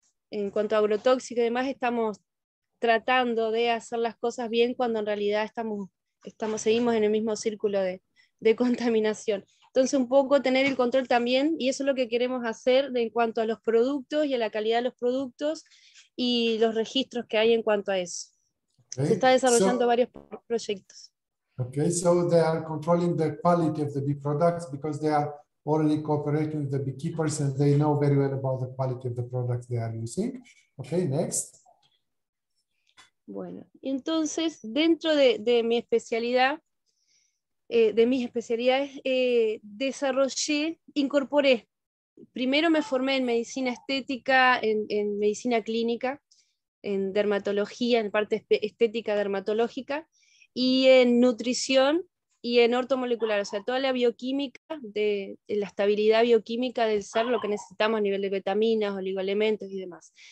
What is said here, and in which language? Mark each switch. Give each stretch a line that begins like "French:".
Spanish: En cuanto a agrotóxico y demás, estamos tratando de hacer las cosas bien cuando en realidad seguimos en el mismo círculo de contaminación. Entonces, un poco tener el control también, y eso es lo que queremos hacer en cuanto a los productos y a la calidad de los productos y los registros que hay en cuanto a eso. Okay. Se está desarrollando varios proyectos.
English: Okay, so they are controlling the quality of the bee products because they are already cooperating with the beekeepers and they know very well about the quality of the products they are using. Okay, next.
Spanish: Bueno, entonces, dentro de mi especialidad, de mis especialidades, desarrollé, incorporé, primero me formé en medicina estética, en medicina clínica, en dermatología, en parte estética dermatológica, y en nutrición, y en ortomolecular, o sea, toda la bioquímica, de la estabilidad bioquímica del ser, lo que necesitamos a nivel de vitaminas, oligoelementos y demás.